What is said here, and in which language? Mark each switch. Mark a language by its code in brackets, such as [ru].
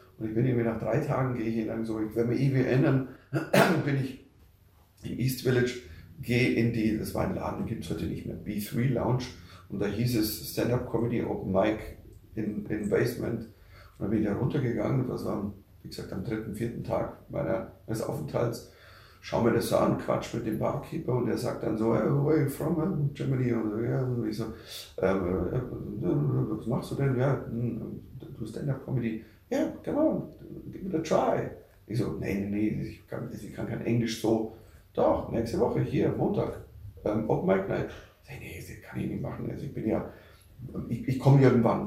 [de] Und ich bin irgendwie nach 3 Tagen, gehe ich hin, dann so, ich werde mich irgendwie ändern, bin ich im East Village, gehe in die, das war ein Laden, gibt es heute nicht mehr, B3 Lounge, und da hieß es Stand-Up Comedy Open Mic in Basement. Und dann bin ich da runtergegangen, das war, wie gesagt, am 3., 4. Tag meines Aufenthalts, schaue mir das so an, quatsch mit dem Barkeeper, und er sagt dann so, [en] hey, where are you from, Germany? [de] Und ich so, was machst du denn? Ja, du Stand-Up Comedy. Ja, [en] yeah, come on, give it a try. [de] Ich so, nee, ich kann kein Englisch so. Doch, nächste Woche hier, Montag, Open Mic Night. Nee, das kann ich nicht machen. Also ich bin ja, ich komme irgendwann.